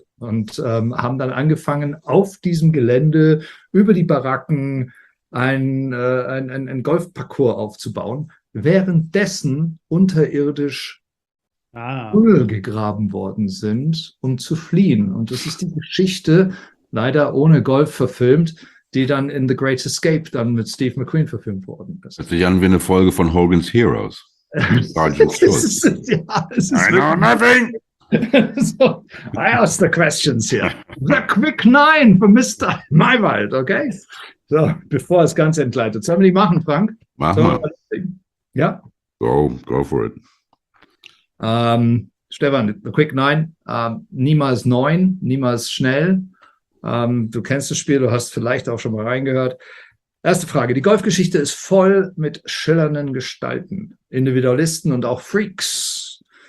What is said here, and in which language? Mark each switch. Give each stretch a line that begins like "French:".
German: Und haben dann angefangen, auf diesem Gelände über die Baracken ein Golfparcours aufzubauen, währenddessen unterirdisch Tunnel gegraben worden sind, um zu fliehen. Und das ist die Geschichte, leider ohne Golf verfilmt, die dann in The Great Escape dann mit Steve McQueen verfilmt worden ist. Hört sich an wie eine Folge von Hogan's Heroes.
English: I know nothing! So, I ask the questions here. The quick nine for Mr. Maywald, okay?
German: So, bevor das Ganze entgleitet. Sollen wir die machen, Frank? Mach so, mal. Ja?
English: Go for it.
German: Stefan, the quick nine, niemals neun, niemals schnell. Du kennst das Spiel, du hast vielleicht auch schon mal reingehört. Erste Frage, die Golfgeschichte ist voll mit schillernden Gestalten, Individualisten und auch Freaks.